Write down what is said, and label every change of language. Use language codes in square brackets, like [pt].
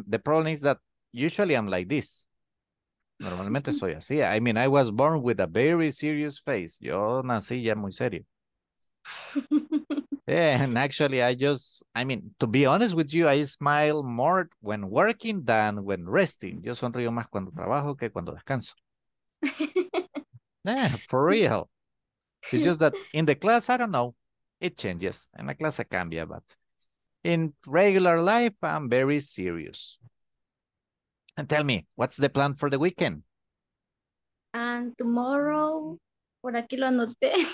[en] The problem is that usually I'm like this. [es] Normalmente soy así. [en] I mean, I was born with a very serious face. [es] Yo nací ya muy serio. [en] Yeah, and actually, to be honest with you, I smile more when working than when resting. [es] Yo sonrío más cuando trabajo que cuando descanso. [en] Yeah, for real. It's just that in the class, I don't know, it changes. [es] En la clase cambia, [en] but in regular life, I'm very serious. And tell me, what's the plan for the weekend? And tomorrow, [es] por aquí lo anoté.